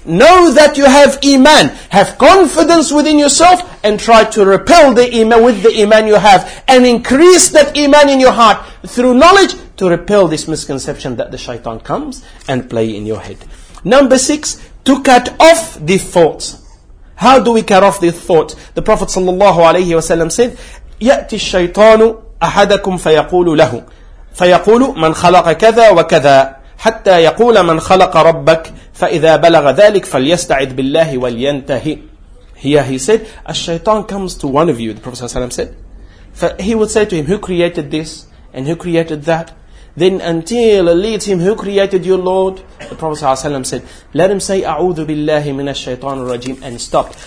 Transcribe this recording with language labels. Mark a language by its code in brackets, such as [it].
[en] Know that you have iman. Have confidence within yourself and try to repel the iman with the iman you have and increase that iman in your heart through knowledge to repel this misconception that the shaitan comes and play in your head. Number 6, to cut off the thought. How do we cut off the thought? The Prophet sallallahu alayhi wa sallam said, [ar] يَأْتِ الشَّيْطَانُ أَحَدَكُمْ فَيَقُولُ لَهُ فَيَقُولُ مَنْ خَلَقَ كَذَا وَكَذَا حَتَّى يَقُولَ مَنْ خَلَقَ رَبَّكَ فَإِذَا بَلَغَ ذَلِكَ فَلْيَسْتَعِذْ بِاللَّهِ وَلْيَنْتَهِ. [en] Here he said, a shaitan comes to one of you, the Prophet ﷺ said. He would say to him, who created this? And who created that? Then until it leads him, who created your Lord? The Prophet ﷺ said, let him say, [ar] أَعُوذُ بِاللَّهِ مِنَ الشَّيْطَانِ الرَّجِيمِ [en] and stop.